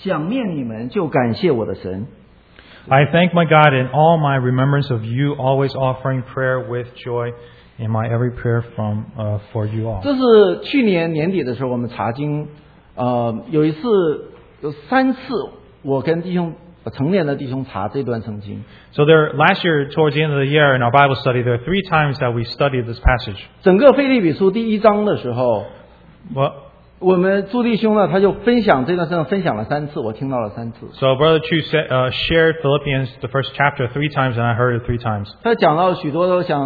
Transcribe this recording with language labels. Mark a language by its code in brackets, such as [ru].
[zh] 他说我们每次想到你们，我每逢为你们众人祈求的时候，就欢欢喜喜的祈求。前面说我每逢想思想念你们，就感谢我的神。 [en] I thank my God in all my remembrance of you, always offering prayer with joy in my every prayer from for you all. [zh] 这是去年年底的时候，我们查经，有三次我跟弟兄成年的弟兄查这段圣经。 [en] So there, last year towards the end of the year in our Bible study, there are 3 times that we studied this passage. [zh] 整个腓立比书第一章的时候， [en] what? [zh] 我们朱弟兄呢，他就分享这段圣经，分享了三次，我听到了三次。 [en] So Brother Chu said, shared Philippians the first chapter 3 times, and I heard it 3 times.